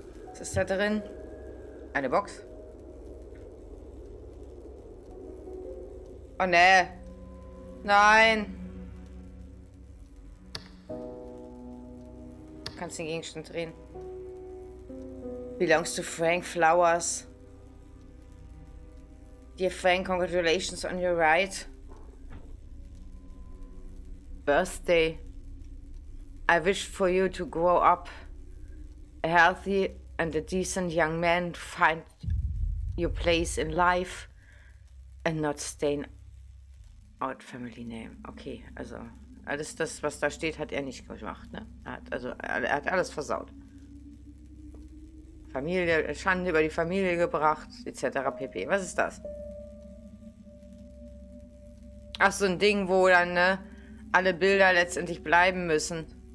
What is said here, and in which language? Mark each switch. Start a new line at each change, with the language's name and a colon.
German: Was ist da drin? Eine Box? Oh, ne. Nein. Kannst den Gegenstand drehen.
English: Belongs to Frank Flowers. Dear Frank, congratulations on your ride. Birthday. I wish for you to grow up a healthy and a decent young man, find your place in life and not stain out family name.
German: Okay, also... Alles das, was da steht, hat er nicht gemacht, ne? Er hat alles versaut. Familie, Schande über die Familie gebracht, etc. pp. Was ist das? Ach, so ein Ding, wo dann, ne, alle Bilder letztendlich bleiben müssen.